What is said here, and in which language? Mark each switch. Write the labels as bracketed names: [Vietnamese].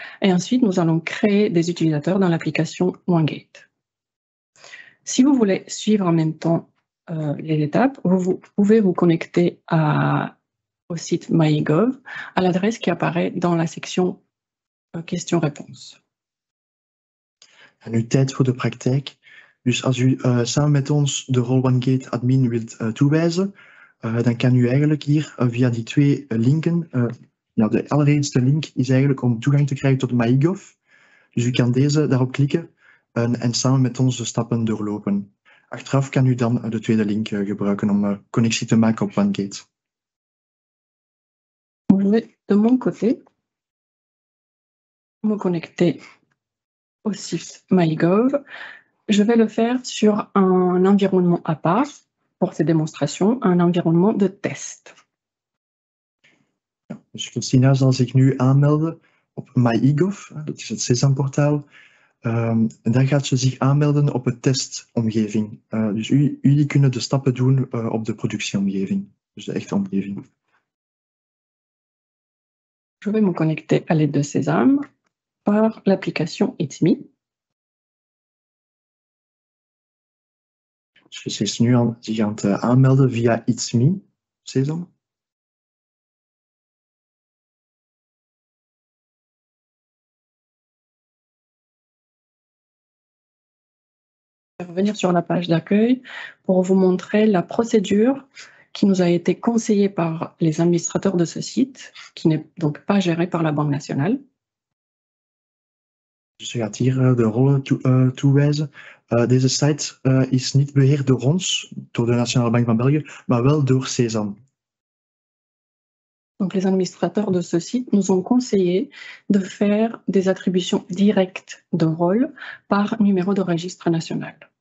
[French] Et ensuite, nous allons créer des utilisateurs dans l'application OneGate. Si vous voulez suivre en même temps les étapes, vous pouvez vous connecter au site MyGov à l'adresse qui apparaît dans la section questions-réponses. [Dutch] En nu tijd voor de praktijk. Dus als u samen met ons de rol OneGate Admin wilt toewijzen, dan kan u eigenlijk hier via die twee linken. De allereerste link is eigenlijk om toegang te krijgen tot MyGov. Dus u kan deze daarop klikken en samen met ons de stappen doorlopen. Achteraf kan u dan de tweede link gebruiken om connectie te maken op OneGate. [French] De mon côté, me connecter au site MyGov. Je vais le faire sur un environnement à part pour ces démonstrations, un environnement de test. [Dutch] Dus Christina zal zich nu aanmelden op MyEGov, dat is het CESAM-portaal. Dan gaat ze zich aanmelden op een testomgeving. Dus jullie kunnen de stappen doen op de productieomgeving, dus de echte omgeving. [French] Je vais me connecter à l'aide de CESAM par l'application It's Me. [Dutch] Dus ze is nu zich aan het aanmelden via It's Me, CESAM. [French] Revenir sur la page d'accueil pour vous montrer la procédure qui nous a été conseillée par les administrateurs de ce site, qui n'est donc pas gérée par la Banque nationale. [Dutch] Ze gaat hier de rollen toewijzen. Deze site is niet beheerd door ons, door de Nationale Bank van België, maar wel door CESAM. [French] Donc les administrateurs de ce site nous ont conseillé de faire des attributions directes de rôle par numéro de registre national.